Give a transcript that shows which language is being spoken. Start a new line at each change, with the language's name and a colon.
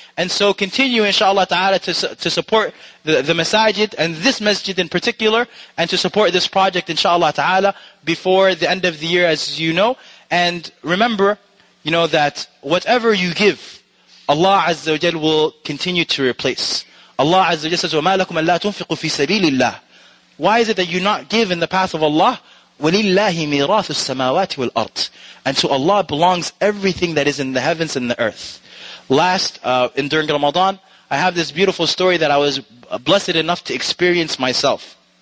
English: And so continue inshallah ta'ala to support the masajid and this masjid in particular, and to support this project inshallah ta'ala before the end of the year, as you know. And remember, you know, that whatever you give, Allah Azza wa Jal will continue to replace. Allah Azza wa Jal says,
Arabic: وَمَا لَكُمْ أَلَّا تُنْفِقُوا فِي سَبِيلِ اللَّهِ.
English: Why is it that you not give in the path of Allah?
Arabic: وَلِلَّهِ مِيرَاثُ السَّمَاوَاتِ وَالْأَرْضِ.
English: And to Allah belongs everything that is in the heavens and the earth. Last, in during Ramadan, I have this beautiful story that I was blessed enough to experience myself.